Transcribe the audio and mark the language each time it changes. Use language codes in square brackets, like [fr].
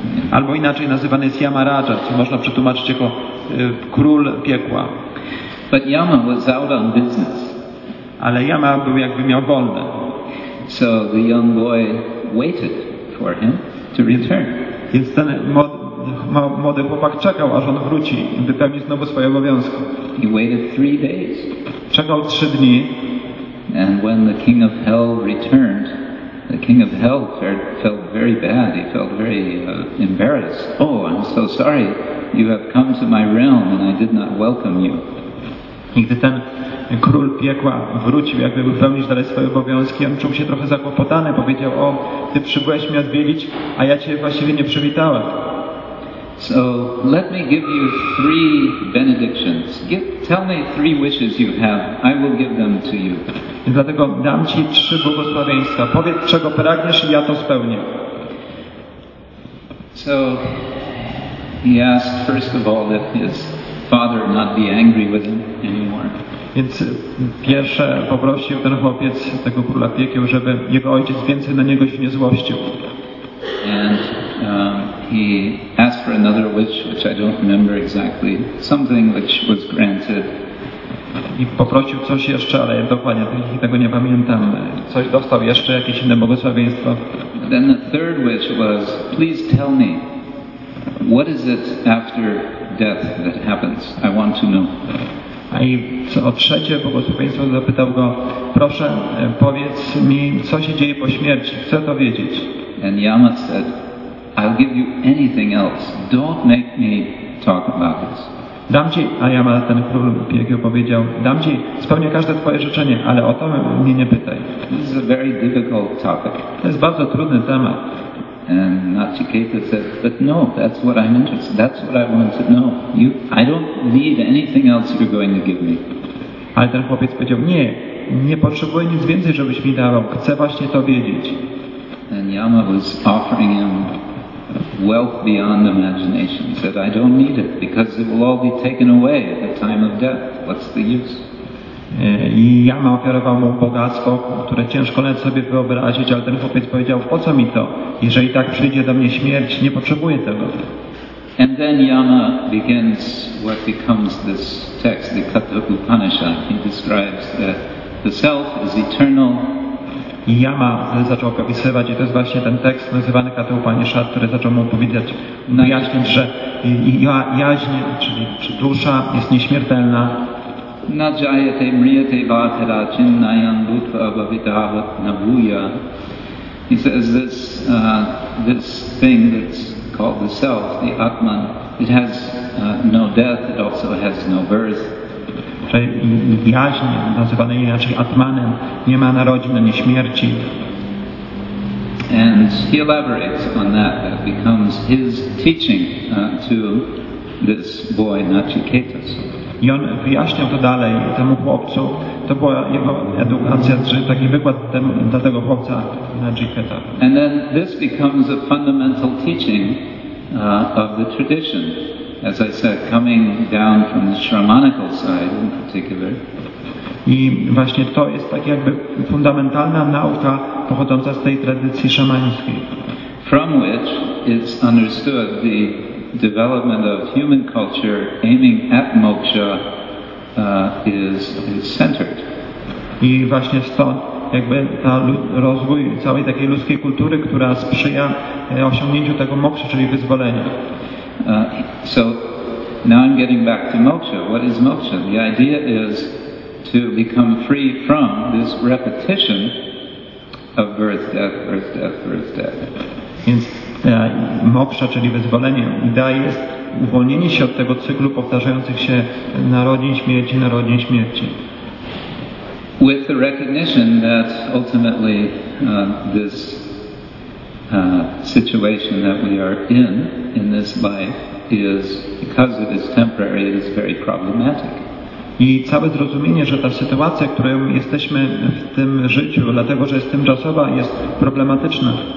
[pl] Albo inaczej nazywany jest Yamaraja, co można przetłumaczyć jako król piekła. [en] But Yama was out on business. [pl] Ale Yama był jakby miał wolne. [en] So the young boy waited for him to return. [pl] Więc ten młody chłopak czekał, aż on wróci, wypełni znowu swoje obowiązki. [en] He waited 3 days. [pl] Czekał 3 dni. [en] And when the king of hell returned, the king of hell felt very bad. He felt very embarrassed. Oh, I'm so sorry. You have come to my realm and I did not welcome you. [pl] I gdy ten król piekła wrócił, jakby wypełnić dalej swoje obowiązki, on czuł się trochę zakłopotany. Powiedział, o, ty przybyłeś mnie odwiedzić, a ja cię właściwie nie przywitałem. [en] So, let me give you 3 benedictions. Tell me 3 wishes you have. I will give them to you. [pl] I dlatego dam ci 3 błogosławieństwa. Powiedz, czego pragniesz i ja to spełnię. [en] So, he asked first of all that his father not be angry with him anymore. [pl] Więc pierwsze poprosił ten chłopiec, tego króla piekieł, żeby jego ojciec więcej na niego się nie złościł. [en] And he asked for another wish, which I don't remember exactly. Something which was granted. [pl] I poprosił coś jeszcze, ale dokładnie tego nie pamiętam. Coś dostał jeszcze, jakieś inne błogosławieństwo. [en] Then the third wish was, please tell me, what is it after death that happens? I want to know. [pl] A i o trzecie błogosławieństwo zapytał go, proszę, powiedz mi, co się dzieje po śmierci, chcę to wiedzieć. [en] And Yama said, I'll give you anything else. Don't make me talk about this. [pl] Dam ci, a Yama ten król piekieł powiedział, dam ci, spełnię każde twoje życzenie, ale o to mnie nie pytaj. [en] This is a very difficult topic. [pl] To jest bardzo trudny temat. [en] And Nachiketa said, but no, that's what I'm interested in. That's what I want to know. I don't need anything else you're going to give me. [pl] Ale ten chłopiec powiedział, nie, nie potrzebuję nic więcej, żebyś mi dawał. Chcę właśnie to wiedzieć. [en] And Yama was offering him wealth beyond imagination. He said, I don't need it, because it will all be taken away at the time of death. What's the use? [pl] I Yama ofiarował mu bogactwo, które ciężko nawet sobie wyobrazić, ale ten chłopiec powiedział, po co mi to? Jeżeli tak przyjdzie do mnie śmierć, nie potrzebuję tego. [en] And then Yama begins what becomes this text, the Katha Upanishad. He describes that the self is eternal. [pl] I Yama zaczął opisywać, i to jest właśnie ten tekst nazywany Katha Upanishad, który zaczął mu opowiedzieć, wyjaśnić, że jaźń, czy dusza jest nieśmiertelna. [sa] Na jayate mriyate vatara chinnayan bhutva bhavitavat nabhuya. [en] He says this thing that's called the self, the Atman, it has no death, it also has no birth. [pl] Jaźń, nazywany inaczej Atmanem, nie ma narodzin ani śmierci. [en] And he elaborates on that. That becomes his teaching to this boy, Nachiketa. [pl] I on wyjaśniał to dalej temu chłopcu. To była jego edukacja, czy taki wykład dla tego chłopca Nachiketa. [en] And then this becomes a fundamental teaching of the tradition. As I said, coming down from the Shramanical side in particular. [pl] I właśnie to jest tak jakby fundamentalna nauka pochodząca z tej tradycji szamańskiej. [en] From which it's understood the development of human culture aiming at moksha is centered. [pl] I właśnie stąd jakby ta rozwój całej takiej ludzkiej kultury, która sprzyja osiągnięciu tego moksha, czyli wyzwolenia. [en] So now I'm getting back to moksha. What is moksha? The idea is to become free from this repetition of birth, death, birth, death, birth, death. [pl] Więc moksha, czyli wyzwolenie, idea jest uwolnienie się od tego cyklu powtarzających się narodzin, śmierci, narodzin, śmierci. [en] With the recognition that ultimately this situation that we are in this life is, because it is temporary, it is very problematic. [pl] I całe zrozumienie, że ta sytuacja, w której jesteśmy w tym życiu, dlatego że jest tymczasowa, jest problematyczna.